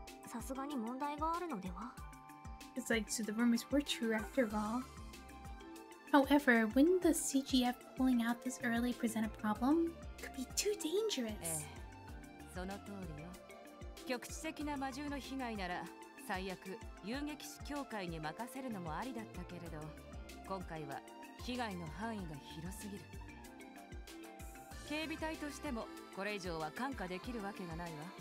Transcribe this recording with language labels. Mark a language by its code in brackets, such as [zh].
[ja] 魔獣の被害を放っておくというのは、さすがに問題があるのでは? [en] It's like, so the rumors were true after all. However, wouldn't the CGF pulling out this early present a problem? Could be too dangerous. [ja] その通りよ。局地的な魔獣の被害なら、 最悪遊撃士協会に任せるのもありだったけれど、今回は被害の範囲が広すぎる。警備隊としてもこれ以上は看過できるわけがないわ。